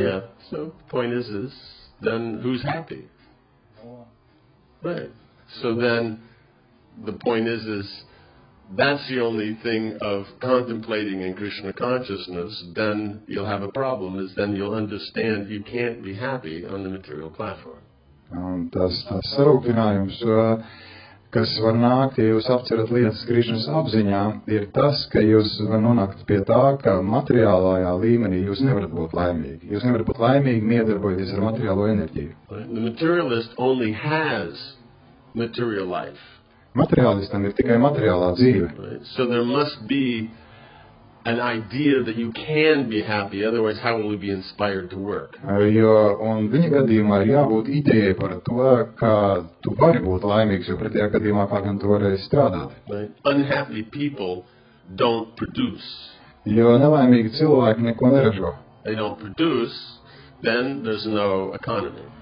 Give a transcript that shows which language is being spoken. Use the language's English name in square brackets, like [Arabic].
[English] Yeah, so point is, then who's happy? Right. So then the point is, that's the only thing of contemplating in Krishna consciousness, then you'll have a problem, is then you'll understand you can't be happy on the material platform. [Latvian] Un tas sarūpinājums, kas var nākt, ja jūs apcerat lietas Krišnas apziņā, ir tas, ka jūs var nonākt pie tā, ka materiālajā līmenī jūs nevarat būt laimīgi. Jūs nevarat būt laimīgi, miedarbojoties ar materiālo enerģiju. [English] The materialist only has material life. [Latvian] Materiālistam ir tikai materiālā dzīve. [English] Right. So there must be an idea that you can be happy, otherwise how will we be inspired to work? [Latvian] Jo, un viņa gadījumā ir jābūt idejai par to, ka tu vari būt laimīgs, jo pretējā gadījumā kā gan tu varēji strādāt. [English] Right. Unhappy people don't produce. [Latvian] Jo nelaimīgi cilvēki neko neražo. [English] They don't produce, then there's no economy.